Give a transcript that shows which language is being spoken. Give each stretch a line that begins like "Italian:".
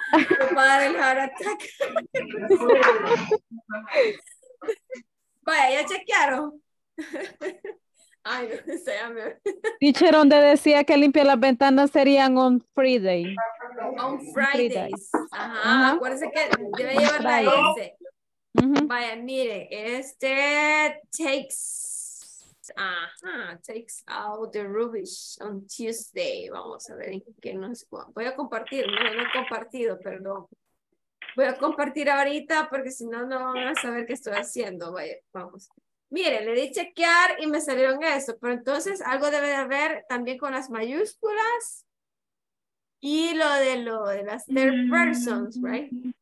Spanish: Me va a dar el heart attack. Vaya, ya chequearon. Ay, no sé, teacher, donde decía que limpia las ventanas serían on Friday.
English: On Fridays.
Spanish: Ajá, acuérdense que debe llevar la S. Vaya, mire, este
English: takes out the rubbish on Tuesday.
Spanish: Vamos a ver en qué nos... Voy a compartir, no he compartido, perdón. Voy a compartir ahorita porque si no, no van a saber qué estoy haciendo. Vaya, vamos. Mire, le di chequear y me salieron eso, pero entonces algo debe de haber también con las mayúsculas y lo de las
English: third persons, right?